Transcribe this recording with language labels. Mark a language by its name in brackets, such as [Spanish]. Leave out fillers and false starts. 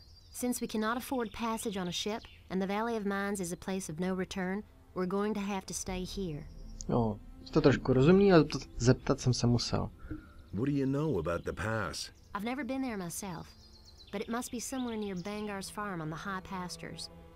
[English] Since we cannot afford passage on a ship, and the Valley of Mines is a place of no return, we're going to have to stay here. [Czech] No, to trošku rozumí, ale zeptat jsem se musel. [English] What do you know about the pass? I've never been there myself, but it must be somewhere near Bangar's farm on the high pastures.